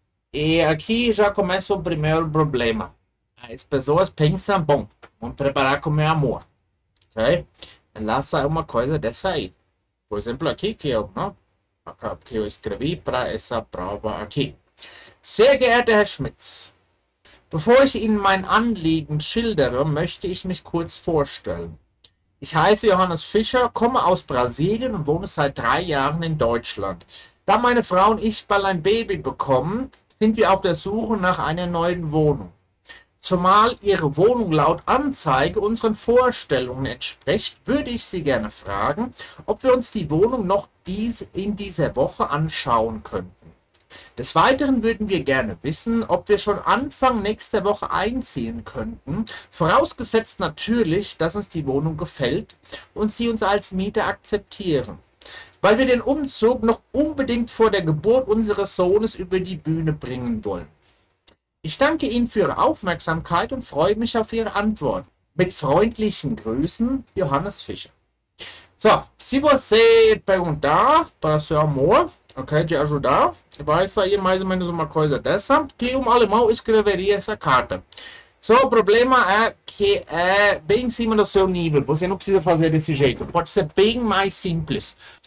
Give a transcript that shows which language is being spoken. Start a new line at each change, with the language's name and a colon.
Portuguese: E aqui já começa o primeiro problema. As pessoas pensam, bom, vamos preparar com meu amor. Ok? Lá sai uma coisa dessa aí. Por exemplo, aqui que eu escrevi para essa prova aqui.
German: Sehr geehrter Herr Schmitz, bevor ich Ihnen mein Anliegen schildere, möchte ich mich kurz vorstellen. Ich heiße Johannes Fischer, komme aus Brasilien und wohne seit 3 Jahren in Deutschland. Da meine Frau und ich bald ein Baby bekommen, sind wir auf der Suche nach einer neuen Wohnung. Zumal Ihre Wohnung laut Anzeige unseren Vorstellungen entspricht, würde ich Sie gerne fragen, ob wir uns die Wohnung noch in dieser Woche anschauen könnten. Des Weiteren würden wir gerne wissen, ob wir schon Anfang nächster Woche einziehen könnten, vorausgesetzt natürlich, dass uns die Wohnung gefällt und Sie uns als Mieter akzeptieren. Weil wir den Umzug noch unbedingt vor der Geburt unseres Sohnes über die Bühne bringen wollen. Ich danke Ihnen für Ihre Aufmerksamkeit und freue mich auf Ihre Antwort. Mit freundlichen Grüßen, Johannes Fischer.
Portuguese: So, se você perguntar para seu amor, ok, de ajudar, vai sair mais ou menos uma coisa dessa, que alemão escreveria essa carta. Só o problema é que é bem em cima do seu nível. Você não precisa fazer desse jeito. Pode ser bem mais simples.